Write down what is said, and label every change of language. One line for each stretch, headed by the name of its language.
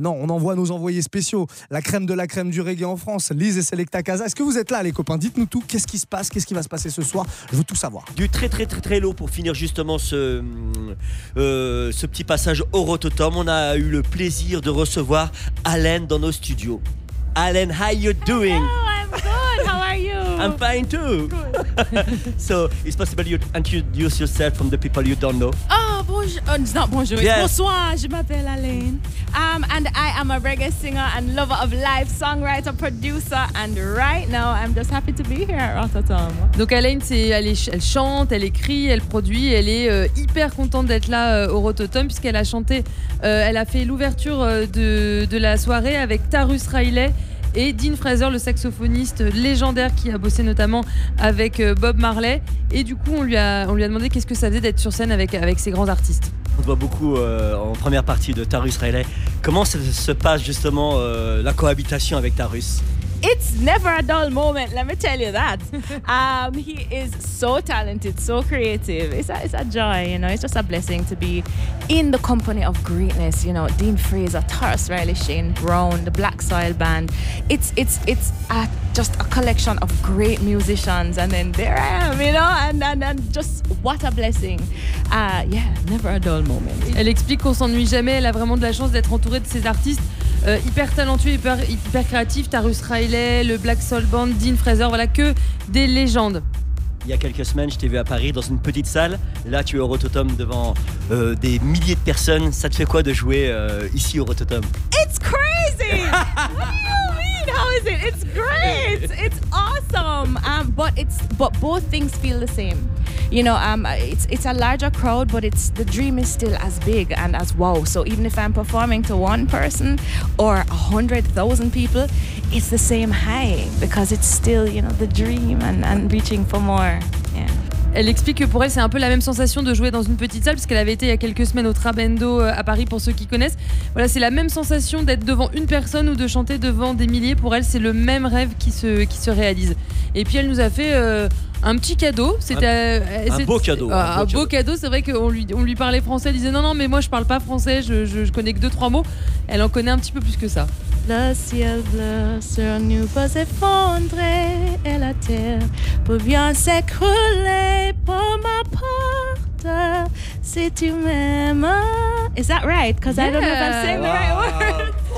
French: Non, on envoie nos envoyés spéciaux, la crème de la crème du reggae en France, Liz et Selecta Casa. Est-ce que vous êtes là les copains? Dites-nous tout, qu'est-ce qui se passe? Qu'est-ce qui va se passer ce soir? Je veux tout savoir. Du très très très très lourd pour finir justement ce petit passage au Rototom. On a eu le plaisir de recevoir Alain dans nos studios.
English: Alain, how you doing? Hello, I'm good. How are you? I'm fine too. Good. So, it's possible you introduce yourself from the people you don't know.
French: Oh, bonjour.
English: It's not
French: bonjour. Yes. Bonsoir. Je m'appelle Alain.
English: And I am a reggae singer and lover of life, songwriter, producer. And right now, I'm just happy to be here at Rototom.
French: Donc, Alain, elle chante, elle écrit, elle produit. Elle est hyper contente d'être là au Rototom puisqu'elle a chanté. Elle a fait l'ouverture de la soirée avec Tarus Riley et Dean Fraser, le saxophoniste légendaire qui a bossé notamment avec Bob Marley. Et du coup, on lui a demandé qu'est-ce que ça faisait d'être sur scène avec ces grands artistes. On voit beaucoup en première partie de Tarus Riley. Comment se passe justement la cohabitation avec Tarus?
English: It's never a dull moment, let me tell you that. He is so talented, so creative. It's a joy, you know. It's just a blessing to be in the company of greatness, you know. Dean Fraser, Tarus Riley, Shane Brown, the Black Soil Band. It's just a collection of great musicians, and then there I am, you know, and just what a blessing. Never a dull moment.
French: Elle explique qu'on s'ennuie jamais. Elle a vraiment de la chance d'être entourée de ces artistes. Hyper talentueux, hyper créatif, Tarus Riley, le Black Soul Band, Dean Fraser, voilà que des légendes. Il y a quelques semaines, je t'ai vu à Paris dans une petite salle. Là, tu es au Rototom devant des milliers de personnes. Ça te fait quoi de jouer ici au Rototom?
English: It's crazy! How is it? It's great. It's awesome. But both things feel the same. You know, it's a larger crowd, but it's the dream is still as big and as wow. So even if I'm performing to one person or 100,000 people, it's the same high because it's still, you know, the dream and reaching for more.
French: Elle explique que pour elle, c'est un peu la même sensation de jouer dans une petite salle, puisqu'elle avait été il y a quelques semaines au Trabendo à Paris, pour ceux qui connaissent. Voilà, c'est la même sensation d'être devant une personne ou de chanter devant des milliers. Pour elle, c'est le même rêve qui se réalise. Et puis, elle nous a fait un petit cadeau. C'était un beau cadeau. C'est vrai qu'on lui parlait français. Elle disait non, mais moi, je parle pas français. Je connais que deux, trois mots. Elle en connaît un petit peu plus que ça. Le ciel bleu sur nous peut s'effondrer et la terre peut bien s'écrouler pour ma part si tu m'aimes.
English: Is that right? Because I don't know if I'm saying the right word.